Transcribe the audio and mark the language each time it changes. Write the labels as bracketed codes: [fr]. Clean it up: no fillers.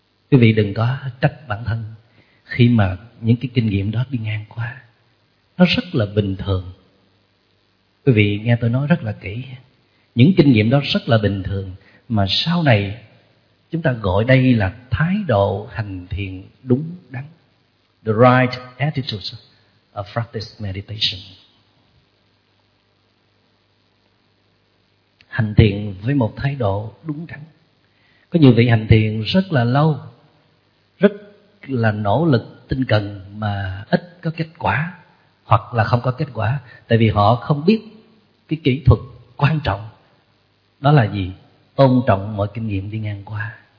[vi] Quý vị đừng có trách bản thân khi mà những cái kinh nghiệm đó đi ngang qua. Nó rất là bình thường. Quý vị nghe tôi nói rất là kỹ. Những kinh nghiệm đó rất là bình thường, mà sau này chúng ta gọi đây là thái độ hành thiền đúng đắn. [en] The right attitude of practice meditation. [vi] Hành thiền với một thái độ đúng đắn. Có nhiều vị hành thiền rất là lâu, rất là nỗ lực tinh cần mà ít có kết quả, hoặc là không có kết quả, tại vì họ không biết cái kỹ thuật quan trọng đó là gì, tôn trọng mọi kinh nghiệm đi ngang qua.